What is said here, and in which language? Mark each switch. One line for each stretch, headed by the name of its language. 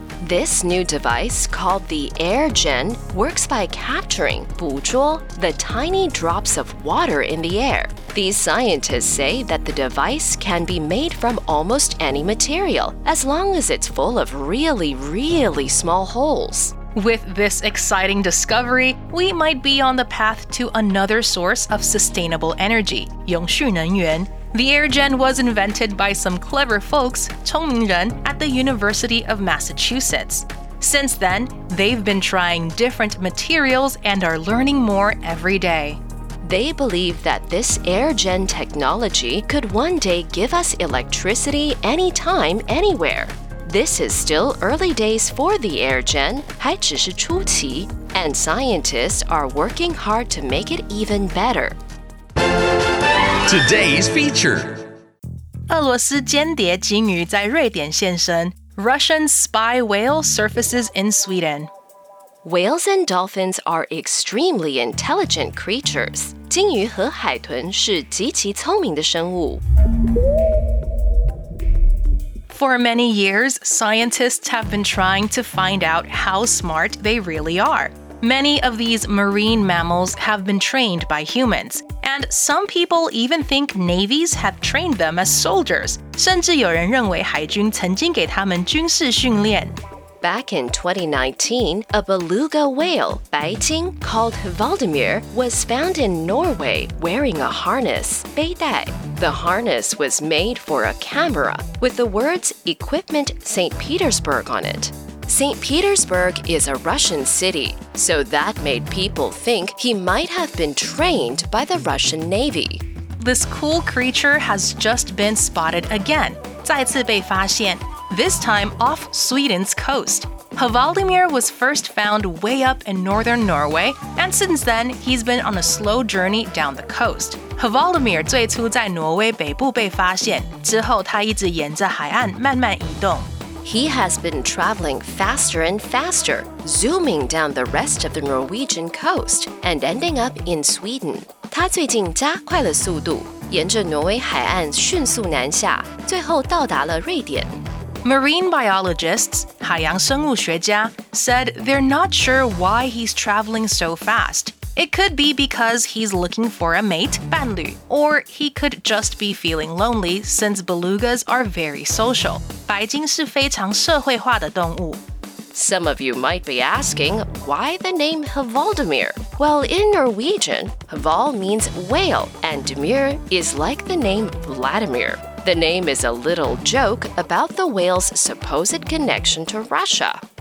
English: This new device, called the AirGen, works by capturing,
Chinese: 捕捉,
English: the tiny drops of water in the air. These scientists say that the device can be made from almost any material, as long as it's full of really, really small holes. With this exciting discovery, we might be on the path to another source of sustainable energy,
Chinese: 永续能源。
English: The AirGen was invented by some clever folks,
Chinese: 聪明人,
English: at the University of Massachusetts. Since then, they've been trying different materials and are learning more every day. They believe that this AirGen technology could one day give us electricity anytime, anywhere. This is still early days for the AirGen,
Chinese: 还只是初期,
English: and scientists are working hard to make it even better. Today's feature.
Chinese: 俄罗斯间谍鲸鱼在瑞典现身。
English: Russian spy whale surfaces in Sweden. Whales and dolphins are extremely intelligent creatures.
Chinese: 鲸鱼和海豚是极其聪明的生物。
English: For many years, scientists have been trying to find out how smart they really are. Many of these marine mammals have been trained by humans. And some people even think navies have trained them as soldiers.
Chinese: 甚至有人认为海军曾经给他们军事训练。
English: Back in 2019, a beluga whale,
Chinese: 白鲸,
English: called Valdemir, was found in Norway wearing a harness,
Chinese: 背带。
English: The harness was made for a camera, with the words Equipment St. Petersburg on it. St. Petersburg is a Russian city, so that made people think he might have been trained by the Russian Navy. This cool creature has just been spotted again,
Chinese: 再次被发现。
English: this time off Sweden's coast. Hvaldimir was first found way up in northern Norway, and since then, he's been on a slow journey down the coast.
Chinese: Hvaldimir 最初在挪威北部被发现，之后他一直沿着海岸慢慢移动。
English: He has been traveling faster and faster, zooming down the rest of the Norwegian coast and ending up in Sweden.
Chinese: 他最近加快了速度，沿着挪威海岸迅速南下，最后到达了瑞典。
English: Marine biologists,
Chinese: 海洋生物学家,
English: said they're not sure why he's traveling so fast. It could be because he's looking for a mate,
Chinese: 伴侣,
English: or he could just be feeling lonely since belugas are very social.
Chinese: 白鲸是非常社会化的动物。
English: Some of you might be asking, why the name Hvaldimir? Well, in Norwegian, Hval means whale, and Mir is like the name Vladimir. The name is a little joke about the whale's supposed connection to Russia.